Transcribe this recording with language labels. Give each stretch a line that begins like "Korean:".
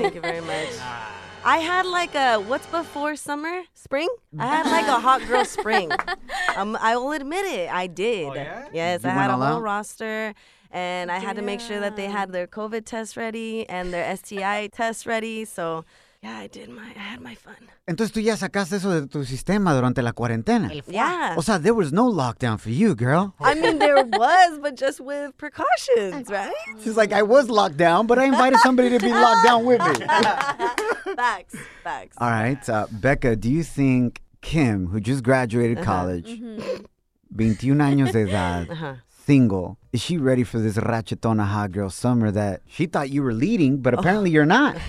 English: Thank you very much. I had like a, what's before summer? Spring? I had like a hot girl spring. I will admit it. I did. Oh, yeah? Yes. You I had a whole roster. And I had to make sure that they had their COVID test ready and their STI test ready. So, yeah, I had my fun.
Spanish: Entonces, tú ya sacaste eso de tu sistema durante la cuarentena.
English: Yeah.
Spanish: O sea,
English: there was no lockdown for you, girl. I mean, there was, but just with precautions, right? She's like, I was locked down, but I invited somebody to be locked down with me. Facts. All right. Becca, do you think Kim, who just graduated college,
Spanish: 21 años de edad,
English: single, is she ready for this ratchetona hot girl summer that she thought you were leading, but apparently you're not?